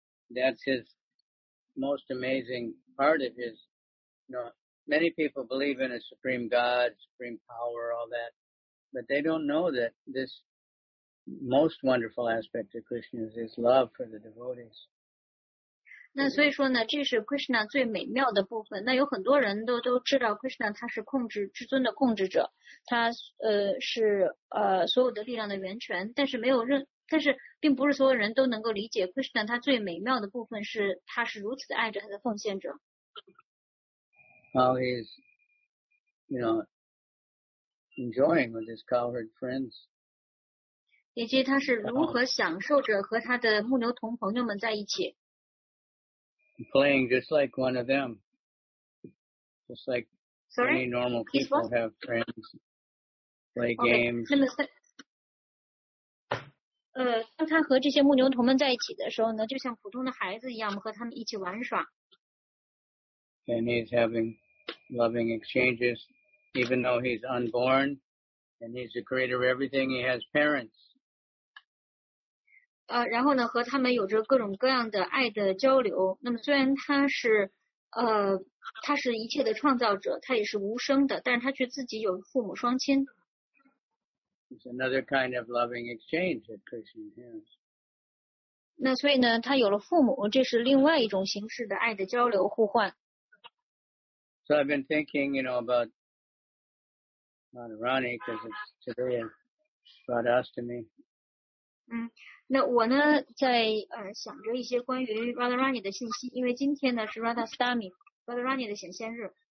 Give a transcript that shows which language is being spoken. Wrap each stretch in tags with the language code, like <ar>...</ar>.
<en>That's his most amazing part of his, you know, many people believe in a supreme God, supreme power, all that, but they don't know that this most wonderful aspect of Krishna is his love for the devotees.</en> <zh>那所以说呢，这是 Krishna 最美妙的部分。那有很多人都知道 Krishna 他是控制至尊的控制者，他是所有的力量的源泉，但是没有任但是并不是所有人都能够理解 Krishna 他最美妙的部分是他是如此的爱着他的奉献者。</zh> <en>How he's, you know, enjoying with his cowherd friends.</en> <zh>以及他是如何享受着和他的牧牛童朋友们在一起。</zh> <en>Playing just like one of them. Just like Sorry? Any normal people have friends. Play games. Okay.</en> <zh>当他和这些牧牛童们在一起的时候呢，就像普通的孩子一样和他们一起玩耍。</zh> <en>And he's having loving exchanges, even though he's unborn, and he's the creator of everything, he has parents.</en> <zh>然后呢，和他们有着各种各样的爱的交流。那么虽然他是一切的创造者，他也是无声的，但是他却自己有父母双亲。</zh> <en>It's another kind of loving exchange that Krishna has.</en> <zh>那所以呢，他有了父母，这是另外一种形式的爱的交流互换。</zh> <en>So I've been thinking, you know, about Radharani because it's today Radhastami.</en> <zh>那我呢在想着一些关于 Radharani 的信息，因为今天呢是 Radhastami, Radharani 的显现日。</zh>